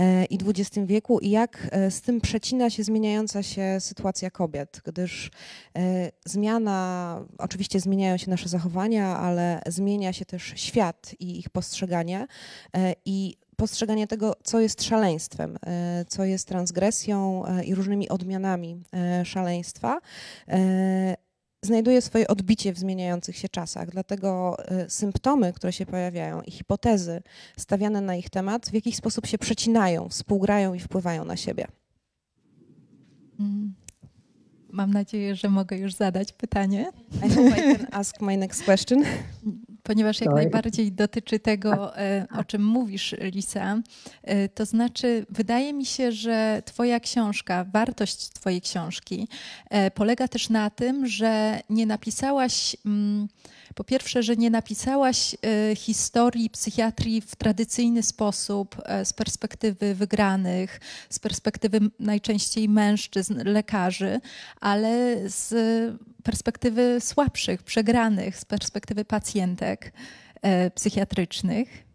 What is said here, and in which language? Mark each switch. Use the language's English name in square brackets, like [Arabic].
[Polish] i XX wieku i jak z tym przecina się zmieniająca się sytuacja kobiet, gdyż zmiana, oczywiście zmieniają się nasze zachowania, ale zmienia się też świat i ich postrzeganie i postrzeganie tego, co jest szaleństwem, co jest transgresją i różnymi odmianami szaleństwa, znajduje swoje odbicie w zmieniających się czasach. Dlatego symptomy, które się pojawiają i hipotezy stawiane na ich temat w jakiś sposób się przecinają, współgrają i wpływają na siebie. Mam nadzieję, że mogę już zadać pytanie. [English] I can ask my next question. [Polish] Ponieważ jak najbardziej dotyczy tego, o czym mówisz, Lisa, to znaczy wydaje mi się, że twoja książka, wartość twojej książki polega też na tym, że nie napisałaś, po pierwsze, że nie napisałaś historii psychiatrii w tradycyjny sposób, z perspektywy wygranych, z perspektywy najczęściej mężczyzn, lekarzy, ale z perspektywy słabszych, przegranych, z perspektywy pacjentek psychiatrycznych.